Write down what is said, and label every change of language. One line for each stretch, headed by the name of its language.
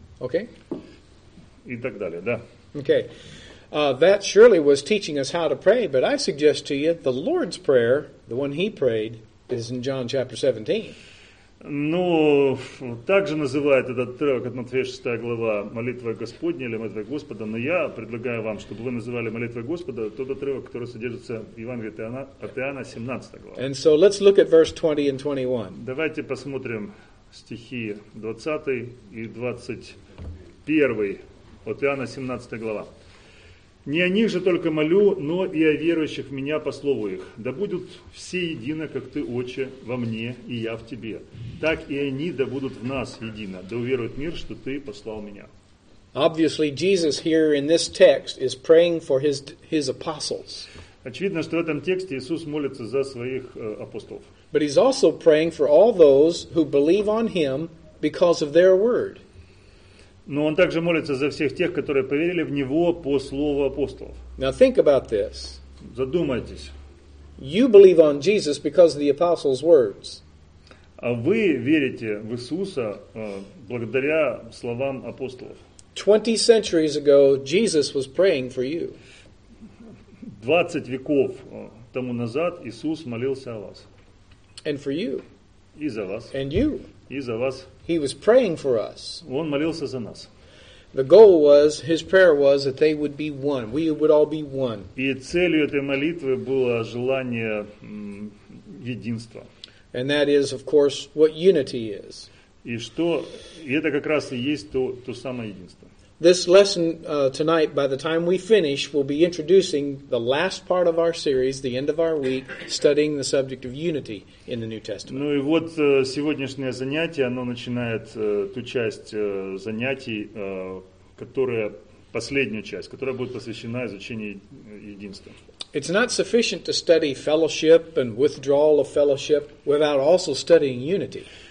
English: Okay.
Russian: И так далее, да.
English: Okay. That surely was teaching us how to pray, but I suggest to you, the Lord's Prayer, the one he prayed, is in John chapter 17.
Russian: Ну, также называет этот отрывок от Матфея 6 глава молитвой Господней или молитвой Господа, но я предлагаю вам, чтобы вы называли молитвой Господа тот отрывок, который содержится в Евангелии от Иоанна 17 глава.
English: And so let's look at verse 20 and 21.
Russian: Давайте посмотрим стихи 20 и 21 от Иоанна 17 глава. «Не о них же только молю, но и о верующих в Меня по слову их. Да будут все едино, как Ты, Отче, во Мне, и Я в Тебе. Так и они да будут в нас едино, да уверует мир, что Ты послал Меня».
English: Obviously, Jesus here in this text is praying for his apostles.
Russian: Очевидно, что в этом тексте Иисус молится за своих апостолов.
English: But He's also praying for all those who believe on Him because of their word.
Russian: Но он также молится за всех тех, которые поверили в него по слову апостолов.
English: Now think about this.
Russian: Задумайтесь.
English: You believe on Jesus because of the apostles' words.
Russian: А вы верите в Иисуса благодаря словам апостолов.
English: 20 centuries ago Jesus was praying for you.
Russian: 20 веков тому назад Иисус молился о вас.
English: And for you.
Russian: И за вас.
English: And you.
Russian: И за вас.
English: He was praying for us.
Russian: Он молился за нас.
English: The goal was, his prayer was that they would be one. We would all be one.
Russian: И целью этой молитвы было желание единства.
English: And that is, of course, what unity is.
Russian: И что, и это как раз и есть то самое единство.
English: This lesson tonight, by the time we finish, we'll be introducing the last part of our series, the end of our week, studying the subject of unity in the New Testament.
Russian: Ну и вот сегодняшнее занятие, оно начинает ту часть занятий, которая, последнюю часть, которая будет посвящена изучению единства.
English: It's not sufficient to study fellowship and withdrawal of fellowship without also studying unity.